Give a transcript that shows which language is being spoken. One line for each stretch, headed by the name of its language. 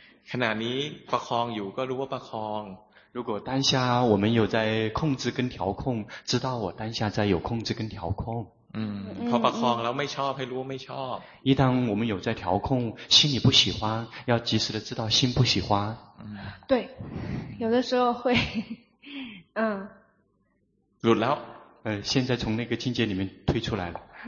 Thai: ขณะนี้ประคองอยู่ก็รู้ว่าประคอง
Chinese: 如果当下我们有在控制跟调控，知道我当下在有控制跟调控。
Thai: พอประคองแล้วไม่ชอบให้รู้ไม่ชอบ。
Chinese: 一旦我们有在调控，心里不喜欢，要及时的知道心不喜欢。对，有的时候会，
Thai: หลุดแล้ว。
Chinese: 现在从那个境界里面退出来了。